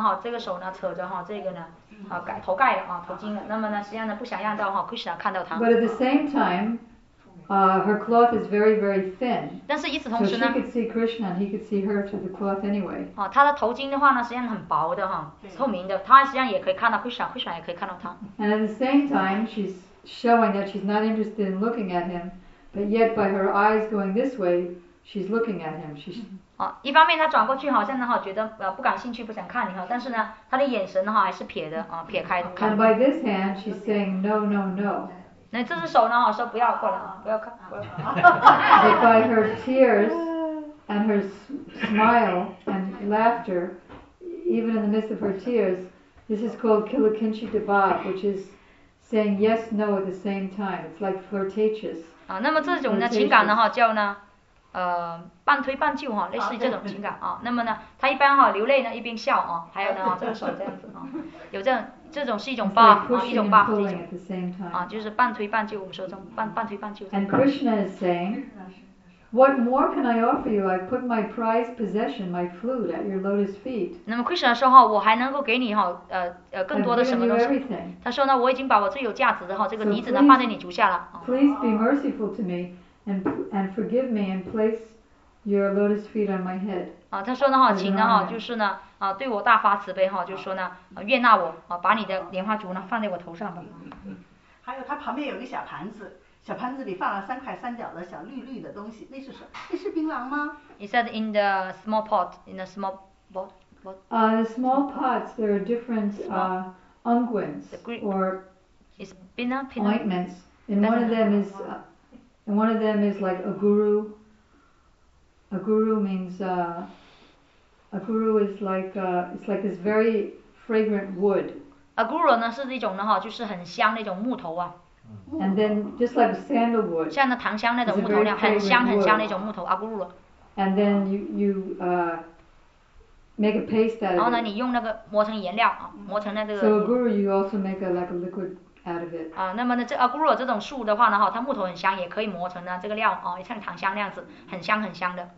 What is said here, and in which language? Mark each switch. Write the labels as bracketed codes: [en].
[zh] 哈，这个手呢，扯着哈，这个呢，啊，盖头盖了啊，头巾了。那么呢，实际上呢，不想让到哈 Krishna 看到他。 [en] But at the same time, her cloth is very, very thin. [zh] 但是与此同时呢 [en] ，So she could see Krishna, and he could see her through the cloth anyway. [zh] 哦，他的头巾的话呢，实际上很薄的哈，透明的，他实际上也可以看到 Krishna, Krishna 也可以看到他。 [en] And at the same time, she's showing that she's not interested in looking at him, but yet by her eyes going this way, she's looking at him. She's [zh] 一方面他转过去好像呢哈，觉得不感兴趣，不想看你哈，但是呢，他的眼神哈还是撇的啊，撇开的。 [en] And by this hand, she's saying no, no, no. [zh] 那这只手呢哈，说不要过来啊，不要看。 [en] But by her tears and her smile and laughter, even in the midst of her tears, this is called kilakinchi devab, which is saying yes, no at the same time. It's like flirtatious. [zh] 啊，那么这种呢情感呢哈叫呢。半推半就哈，类似于这种情感啊。那么呢，他一般哈流泪呢一边笑啊，还有呢这个手这样子啊，有这种是一种八啊，一种八啊，就是半推半就，我们说这种半推半就。 [en] And Krishna is saying, "What more can I offer you? I put my prized possession, my flute, at your lotus feet." [zh] 那么 Krishna 说哈，我还能够给你哈更多的什么东西？他说呢，我已经把我最有价值的哈这个笛子呢放在你足下了。 [en] Please be merciful to me. And forgive me and place your lotus feet on my head. [zh] 啊，他说呢哈，请呢哈，就是呢啊，对我大发慈悲哈，就是说呢，悦纳我啊，把你的莲花烛呢放在我头上吧。还有他旁边有个小盘子，小盘子里放了三块三角的小绿绿的东西，那是什么？那是槟榔吗 [en] ？He said in the small pot, in the small pot. The small pots, there are different unguents or ointments. In one of them is. And one of them is like a guru. A guru means a guru is like it's like this very fragrant wood. [zh] A guru 呢是一种呢哈，就是很香那种木头啊。 [en] And then just like sandalwood. [zh] 像那檀香那种木头料，很香很香那种木头啊，guru。 [en] And then you make a paste out of it. [zh] 然后呢，你用那个磨成颜料啊，磨成那个。 [en] So a guru, you also make a liquid. Out of it. [zh] 啊，那么呢，这阿古鲁这种树的话呢，哈，它木头很香，也可以磨成呢这个料啊，像檀香那样子，很香很香的。